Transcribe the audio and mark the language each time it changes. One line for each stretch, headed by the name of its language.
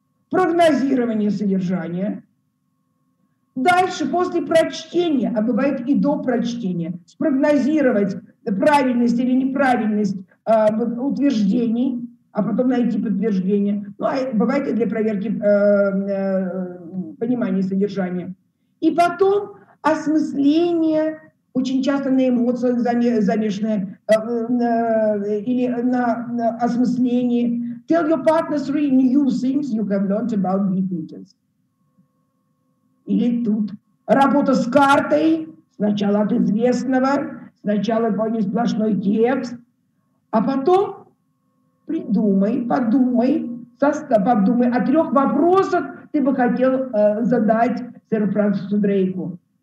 Russian: Прогнозирование содержания. Дальше, после прочтения, а бывает и до прочтения, спрогнозировать правильность или неправильность утверждений, а потом найти подтверждение. Ну, а бывает и для проверки понимания содержания. И потом осмысление, очень часто на эмоциях замешанное, или на осмыслении.
English: Tell your partners three new things you have learned about deep meetings.
Russian: Или тут работа с картой, сначала от известного, сначала вполне сплошной текст, а потом придумай, подумай о трех вопросах ты бы хотел задать сэру Франсису Дрейку.